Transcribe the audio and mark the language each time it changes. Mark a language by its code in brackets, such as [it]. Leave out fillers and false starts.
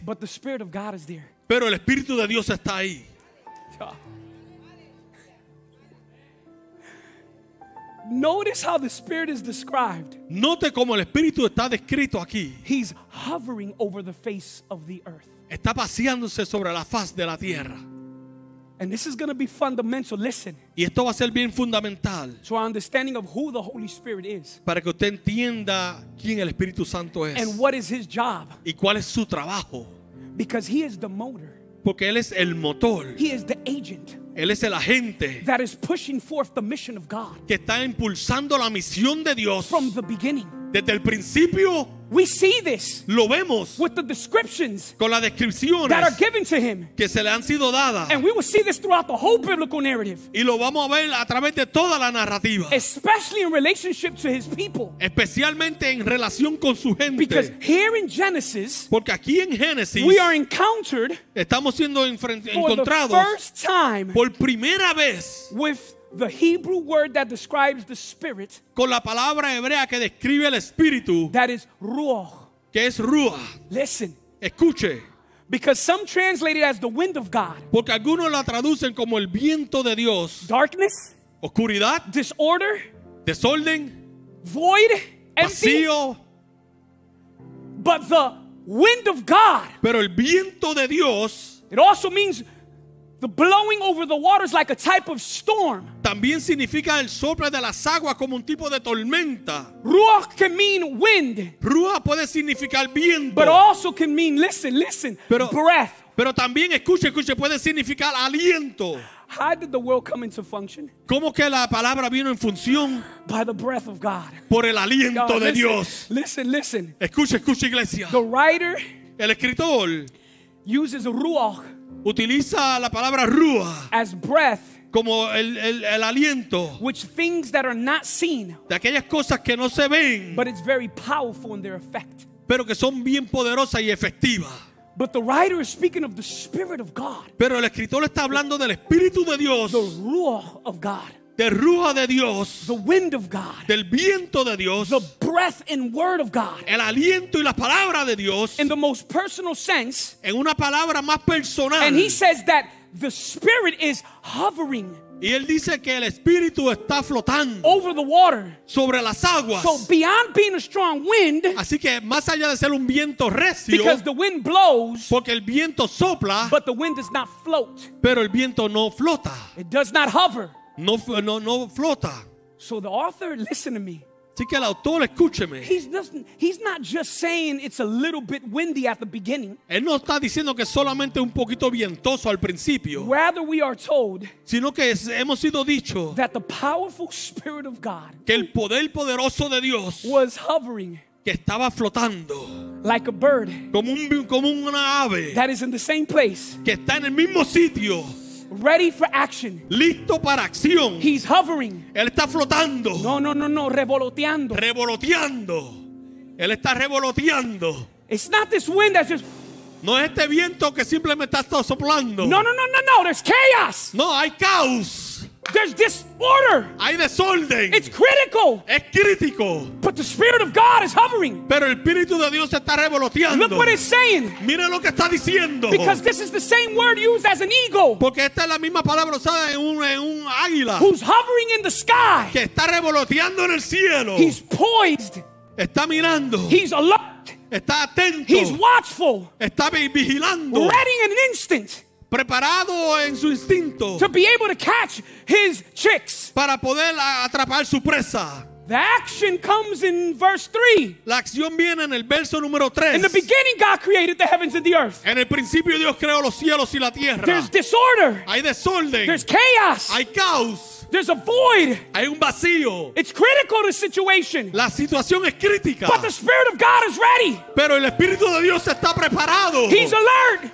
[en] But the Spirit of God is there. [es] Pero el Espíritu de Dios está ahí. [en] Notice how the Spirit is described. [es] Note cómo el Espíritu está descrito aquí. [en] He's hovering over the face of the earth. [es] Está paseándose sobre la faz de la tierra. [en] And this is going to be fundamental. Listen. [es] Y esto va a ser bien fundamental. [en] To our understanding of who the Holy Spirit is. [es] Para que usted entienda quién el Espíritu Santo es. [en] And what is His job. [es] Y cuál es su trabajo. [en] Because He is the motor. [es] Porque Él es el motor. [en] He is the agent. [es] Él es el agente. [en] That is pushing forth the mission of God. [es] Que está impulsando la misión de Dios. [en] From the beginning. [es] Desde el principio. [en] We see this. [es] Lo vemos. [en] With the descriptions. [es] Con las descripciones. [en] That are given to Him. [es] Que se le han sido dadas. [en] And we will see this throughout the whole biblical narrative. [es] Y lo vamos a ver a través de toda la narrativa. [en] Especially in relationship to His people. [es] Especialmente en relación con su gente. [en] Because here in Genesis. [es] Porque aquí en Génesis. [en] We are encountered. [es] Estamos siendo encontrados. [en] For the first time. [es] Por primera vez. [en] With the Hebrew word that describes the spirit. [es] Con la palabra hebrea que describe el espíritu. [en] That is ruach. [es] Que es ruach. [en] Listen. [es] Escuche. [en] Because some translate it as the wind of God. [es] Porque algunos la traducen como el viento de Dios. [en] Darkness. [es] Oscuridad. [en] Disorder. [es] Desorden. [en] Void. [es] Vacío. [en] But the wind of God. [es] Pero el viento de Dios. [en] It also means the blowing over the waters like a type of storm. [es] También significa el soplo de las aguas como un tipo de tormenta. [en] Ruach can mean wind. [es] Ruach puede significar viento. [en] But also can mean, listen, [es] pero, [en] breath. [es] Pero también, escuche, puede significar aliento. [en] How did the world come into function? [es] ¿Cómo que la palabra vino en función? [en] By the breath of God. [es] Por el aliento [en] God, [es] de [en] listen, [es] Dios. [en] Listen. [es] Escuche, iglesia. [en] The writer. [es] El escritor. [en] Uses ruach. [es] Utiliza la palabra rúa [en] as breath, [es] como el aliento, [en] which things that are not seen, [es] de aquellas cosas que no se ven, [en] but it's very powerful in their effect. [es] Pero que son bien poderosas y efectivas. [en] But the writer is speaking of the Spirit of God. [es] Pero el escritor está hablando del Espíritu de Dios. [en] The ruach of God. [es] De ruja de Dios, [en] the wind of God, [es] del viento de Dios, [en] the breath and word of God, [es] el aliento y la palabra de Dios, [en] in the most personal sense, [es] en una palabra más personal, [en] and he says that the Spirit is hovering. [es] Y él dice que el Espíritu está flotando [en] over the water, [es] sobre las aguas. [en] So beyond being a strong wind, [es] así que más allá de ser un viento recio, [en] because the wind blows, [es] porque el viento sopla, [en] but the wind does not float, [es] pero el viento no flota. [en] It does not hover. [es] No flota. [en] So the author, listen to me. [es] Así que el autor, escúcheme. [en] He's not just saying it's a little bit windy at the beginning. [es] Él no está diciendo que solamente un poquito vientoso al principio. [en] Rather, we are told, [es] sino que hemos sido dicho, [en] that the powerful Spirit of God, [es] que el poder poderoso de Dios, [en] was hovering, [es] que estaba flotando, [en] like a bird, [es] como una ave, [en] that is in the same place, [es] que está en el mismo sitio, [en] ready for action. [es] Listo para acción. [en] He's hovering. [es] Él está flotando. No. Revoloteando. Revoloteando. Él está revoloteando. [en] It's not this wind that's just. [es] No es este viento que simplemente está soplando. [en] No. There's chaos. [es] No, hay caos. [en] There's disorder. [es] Hay desorden. [en] It's critical. [es] Es crítico. [en] But the Spirit of God is hovering. [es] Pero el Espíritu de Dios está revoloteando. [en] Look what it's saying. [es] Mira lo que está diciendo. [en] Because this is the same word used as an eagle. [es] Porque esta es la misma palabra usada en un águila. [en] Who's hovering in the sky. [es] Que está revoloteando en el cielo. [en] He's poised. [es] Está mirando. [en] He's alert. [es] Está atento. [en] He's watchful. [es] Está vigilando. [en] Ready in an instant. [es] Preparado en su instinto. [en] To be able to catch his chicks. [es] Para poder atrapar su presa. [en] The action comes in verse 3. [es] La acción viene en el verso número 3. [en] In the beginning God created the heavens and the earth. [es] En el principio Dios creó los cielos y la tierra. [en] There's disorder. [es] Hay desorden. [en] There's chaos. [es] Hay caos. [en] There's a void. [es] Hay un vacío. [en] It's critical, the situation. [es] La situación es crítica. [en] But the Spirit of God is ready. [es] Pero el Espíritu de Dios está preparado. [en] He's alert.